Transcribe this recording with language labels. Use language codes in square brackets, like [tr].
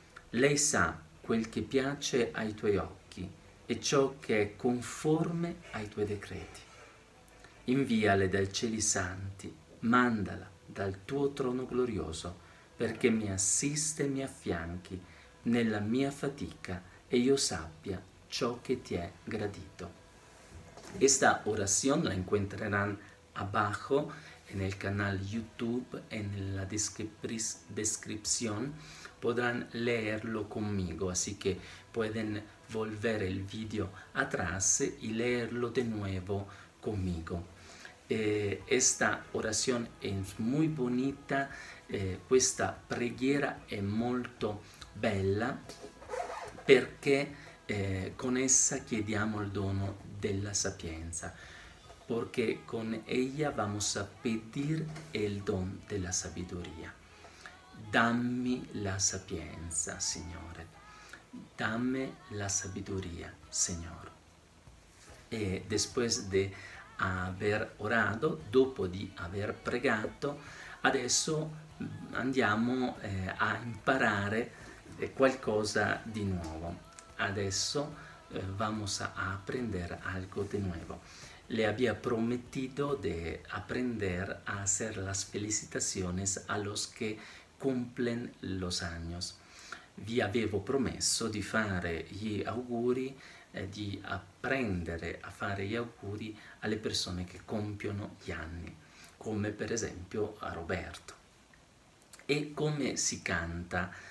[it] Lei sa quel che piace ai tuoi occhi e ciò che è conforme ai tuoi decreti. Inviale dai cieli santi, mandala dal tuo trono glorioso, perché mi assiste e mi affianchi nella mia fatica e io sappia ciò che ti è gradito. [es] Esta oración la encontrarán abajo en el canal YouTube, en la descripción. Podrán leerlo conmigo, así que pueden volver el video atrás y leerlo de nuevo conmigo. Esta oración es muy bonita, [it] esta preghiera es molto bella, [es] porque con ella [it] chiediamo el dono de la sapienza, [es] porque con ella vamos a pedir el don de la sabiduría. [it] Dammi la sapienza, Signore. [es] Dame la sabiduría, Señor. Después de [it] aver orato, dopo di aver pregato, adesso andiamo a imparare qualcosa di nuovo. [es] Adesso vamos a aprender algo de nuevo. Le había prometido de aprender a hacer las felicitaciones a los que cumplen los años. [it] Vi avevo promesso di fare gli auguri, di apprendere a fare gli auguri alle persone che compiono gli anni, come per esempio a Roberto. E come si canta